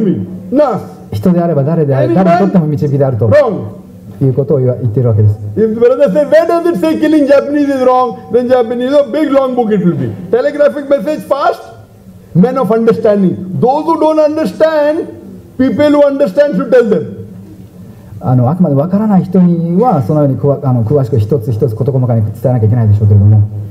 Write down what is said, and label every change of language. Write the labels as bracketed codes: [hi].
[ja] わざわざ国名を挙げてですね、アメリカの人、パキスタンの人、インドの人というその国名どころの人たちにとっての導きというのではなくて、人であれば誰であれ、誰にとっても導きであると。 [en] Wrong. [ja] いうことを言っているわけです。 [en] Where does it say killing Japanese is wrong? Then Japanese, a big long book it will be. Telegraphic message, fast. Men of understanding. Those who don't understand, people who understand should tell them. [ja] あくまでわからない人にはそのように詳しく一つ一つ事細かに伝えなきゃいけないでしょうけれども。